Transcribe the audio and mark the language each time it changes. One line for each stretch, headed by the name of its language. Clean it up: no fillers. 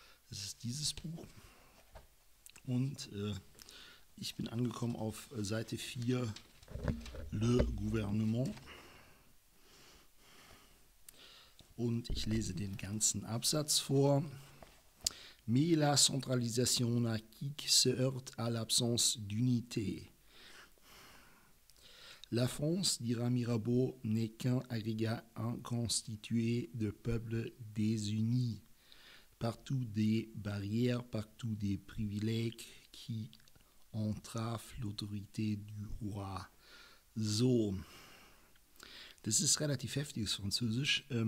German: Das ist dieses Buch. Und ich bin angekommen auf Seite 4, Le Gouvernement. Und ich lese den ganzen Absatz vor.
French: Mais la centralisation anarchique se heurte à l'absence d'unité. La France, dira Mirabeau, n'est qu'un agrégat inconstitué de peuples désunis. Partout des barrières, partout des privilèges qui entravent l'autorité du roi.
German: So, das ist relativ heftiges Französisch.